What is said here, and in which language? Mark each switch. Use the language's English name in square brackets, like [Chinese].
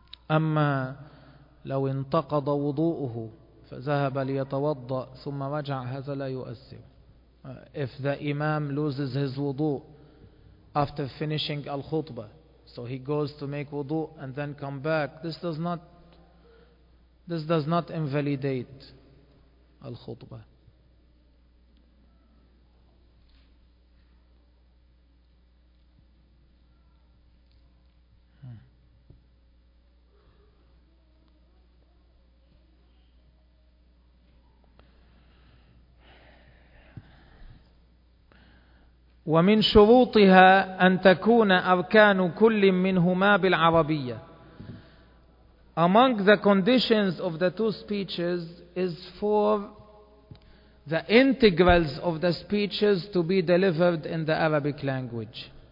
[Arabic] أما لو انتقض وضوءه فذهب ليتوضأ ثم رجع هذا لا يؤثر. [English] If the imam loses his wudu after finishing al-khutbah, so he goes to make wudu and then come back, this does not invalidate al-khutbah. [Arabic] ومن شروطها أن تكون أركان كل منهما بالعربية. [English] Among the conditions of the two speeches is for the integrals of the speeches to be delivered in the Arabic language.